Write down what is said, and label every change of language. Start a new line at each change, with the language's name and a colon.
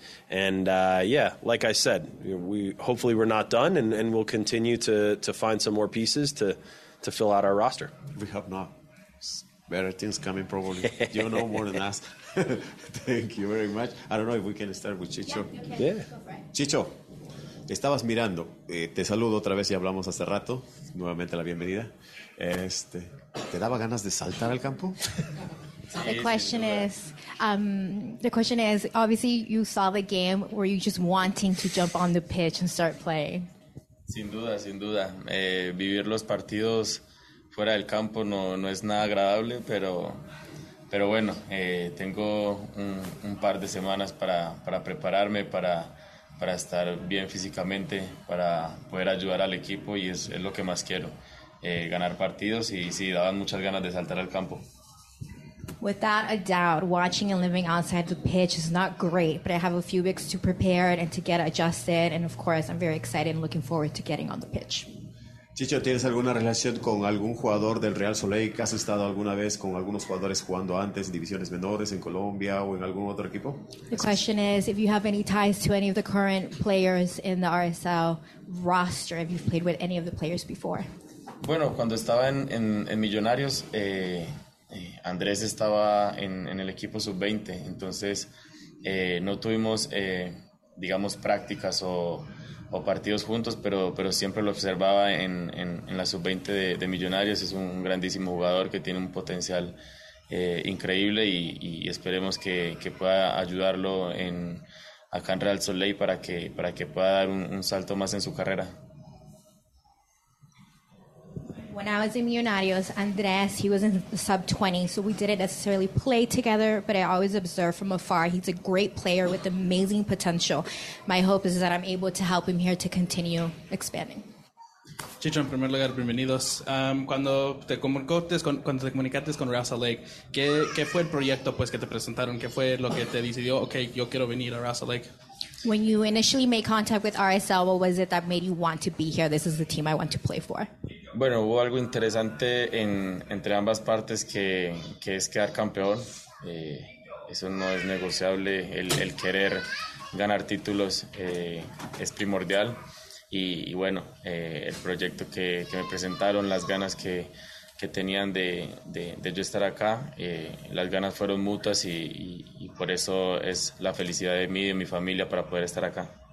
English: And like I said, we're not done, and we'll continue to find some more pieces to fill out our roster. We have not. Better things coming, probably. You know more than us. Thank you very much. I don't know if we can start with Chicho. Yeah. Yeah.
Spanish: Chicho, estabas mirando. Te saludo otra vez y hablamos hace rato. Nuevamente la bienvenida. ¿Te daba ganas de saltar al campo?
English: The question is, obviously you saw the game. Were you just wanting to jump on the pitch and start playing?
Spanish: Sin duda. Vivir los partidos fuera del campo no es nada agradable, pero bueno, tengo un par de semanas para prepararme, para estar bien físicamente, para poder ayudar al equipo, y es lo que más quiero, ganar partidos, y sí, daban muchas ganas de saltar al campo.
English: Without a doubt, watching and living outside the pitch is not great, but I have a few weeks to prepare and to get adjusted, and of course, I'm very excited and looking forward to getting on the pitch.
Spanish: Chicho, ¿tienes alguna relación con algún jugador del Real Salt Lake? ¿Has estado alguna vez con algunos jugadores jugando antes en divisiones menores en Colombia o en algún otro equipo?
English: The question is, if you have any ties to any of the current players in the RSL roster, if you've played with any of the players before?
Spanish: Bueno, cuando estaba en Millonarios, Andrés estaba en el equipo sub-20, entonces no tuvimos, digamos, prácticas o partidos juntos, pero siempre lo observaba en la sub-20 de Millonarios. Es un grandísimo jugador que tiene un potencial increíble, y esperemos que pueda ayudarlo acá en Real Salt Lake para que pueda dar un salto más en su carrera.
English: When I was in Millonarios, Andrés, he was in the sub-20, so we didn't necessarily play together, but I always observed from afar. He's a great player with amazing potential. My hope is that I'm able to help him here to continue expanding.
Spanish: Chicho, en primer lugar, bienvenidos. Cuando te comunicaste con Real Salt Lake, ¿qué fue el proyecto pues que te presentaron? ¿Qué fue lo que te decidió, okay, yo quiero venir a Real Salt Lake?
English: When you initially made contact with RSL, what was it that made you want to be here? This is the team I want to play for.
Spanish: Bueno, hubo algo interesante entre ambas partes, que es quedar campeón. Eso no es negociable. El querer ganar títulos es primordial. Y bueno, el proyecto que me presentaron, las ganas que tenían de yo estar acá, las ganas fueron mutuas, y por eso es la felicidad de mí y de mi familia para poder estar acá.